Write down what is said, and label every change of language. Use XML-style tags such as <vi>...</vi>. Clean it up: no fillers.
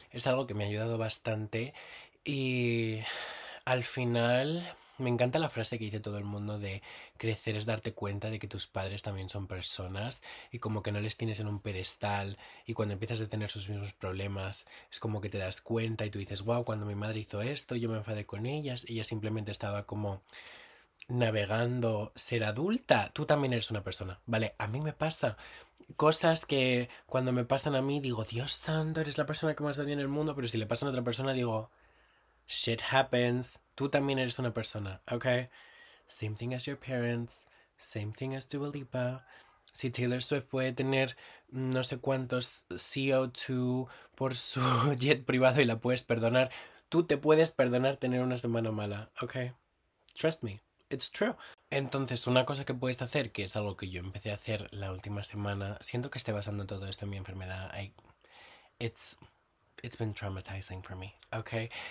<es>Es algo que me ha ayudado bastante y al final me encanta la frase que dice todo el mundo de crecer es darte cuenta de que tus padres también son personas y como que no les tienes en un pedestal y cuando empiezas a tener sus mismos problemas es como que te das cuenta y tú dices, wow, cuando mi madre hizo esto yo me enfadé con ellas, ella simplemente estaba como navegando, ser adulta, tú también eres una persona, ¿vale? A mí me pasa cosas que cuando me pasan a mí digo, Dios santo, eres la persona que más odio en el mundo, pero si le pasan a otra persona digo,</es> <en>shit happens,</en> <es>tú también eres una persona, ¿ok?</es> <en>Same thing as your parents, same thing as Dua Lipa.</en> <es>Si Taylor Swift puede tener no sé cuántos CO2 por su jet privado y la puedes perdonar, tú te puedes perdonar tener una semana mala, ¿ok?</es> <en>Trust me. It's true.</en> <es>Entonces, una cosa que puedes hacer, que es algo que yo empecé a hacer la última semana, siento que esté basando todo esto en mi enfermedad,</es> <en>it's been traumatizing for me,</en> <es>¿ok?</es>